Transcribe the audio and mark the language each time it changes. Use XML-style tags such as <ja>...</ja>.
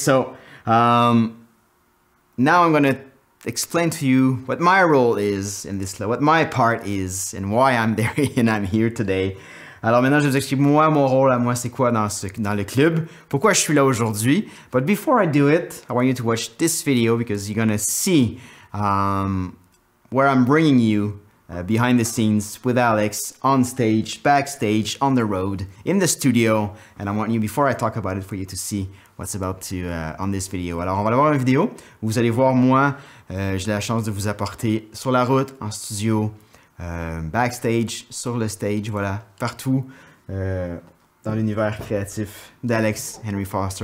<en>So now I'm going to explain to you what my role is in this, what my part is, and why I'm there and I'm here today.</en> <fr>Alors maintenant, je vais vous expliquer moi, mon rôle à moi, c'est quoi dans le club, pourquoi je suis là aujourd'hui.</fr> <en>But before I do it, I want you to watch this video because you're gonna see where I'm bringing you behind the scenes with Alex on stage, backstage, on the road, in the studio. And I want you, before I talk about it, for you to see what's about to on this video.</en> <fr>Alors on va voir une vidéo où vous allez voir moi, j'ai la chance de vous apporter sur la route, en studio, backstage, sur le stage, voilà, partout dans l'univers créatif d'Alex Henry Foster.</fr>